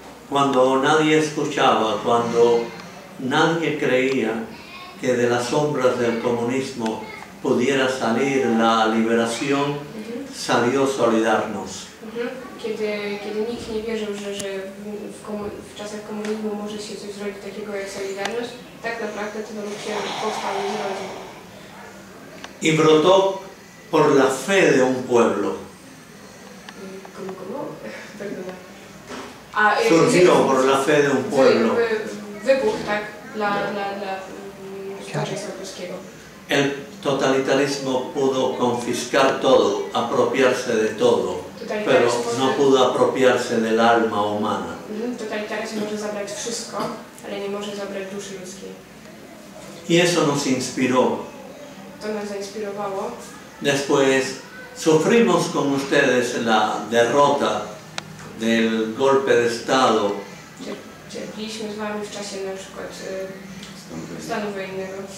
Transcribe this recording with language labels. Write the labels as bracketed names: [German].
[Spanish] Cuando nadie escuchaba, cuando nadie creía que de las sombras del comunismo pudiera salir la liberación, salió solidarnos. [Polish] Kiedy nikt nie wierzył, że w czasach komunizmu może się coś zrobić takiego jak solidarność, tak naprawdę to nam się powstało z rodzin. [Spanish] I brotó por la fe de un pueblo. Como? Surgió por la fe de un pueblo. [Polish] wybuch, tak, dla francuskiego. [Spanish] El totalitarismo pudo confiscar todo, apropiarse de todo, pero no pudo apropiarse del alma humana. [Polish] Totalitarismo puede zabrać wszystko, ale nie może zabrać duszy ludzkiej. [Spanish] Y eso nos inspiró. [Polish] To nas zainspirowało. [Spanish] Después sufrimos con ustedes la derrota del golpe de Estado. [Polish] Cierpiliśmy z wami w czasie na przykład stanu wojennego.